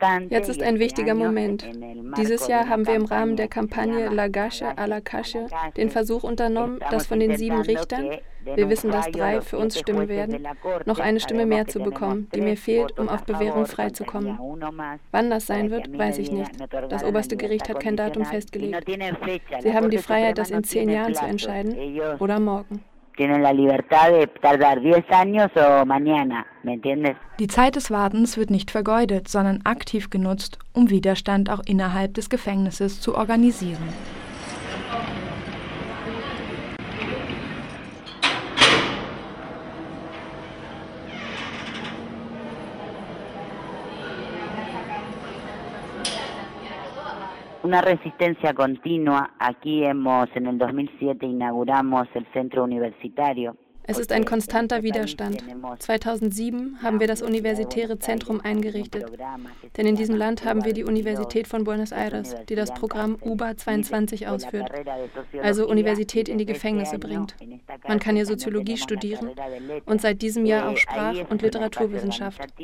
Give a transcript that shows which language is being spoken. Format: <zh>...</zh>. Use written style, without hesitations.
<de>Jetzt ist ein wichtiger Moment. Dieses Jahr haben wir im Rahmen der Kampagne Lagasche a Lagasche den Versuch unternommen, dass von den 7 Richtern, wir wissen, dass 3 für uns stimmen werden, noch eine Stimme mehr zu bekommen, die mir fehlt, um auf Bewährung freizukommen. Wann das sein wird, weiß ich nicht. Das oberste Gericht hat kein Datum festgelegt. Sie haben die Freiheit, das in 10 Jahren zu entscheiden oder morgen.</de> <es>Tienen la libertad de tardar 10 años o mañana, ¿me entiendes?</es> <de>Die Zeit des Wartens wird nicht vergeudet, sondern aktiv genutzt, um Widerstand auch innerhalb des Gefängnisses zu organisieren.</de> <es>Una resistencia continua. Aquí hemos, en el 2007, inauguramos el centro universitario.</es> <de>Es ist ein konstanter Widerstand. 2007 haben wir das universitäre Zentrum eingerichtet. Denn in diesem Land haben wir die Universität von Buenos Aires, die das Programm UBA 22 ausführt, also Universität in die Gefängnisse bringt. Man kann hier Soziologie studieren und seit diesem Jahr auch Sprach- und Literaturwissenschaft.</de>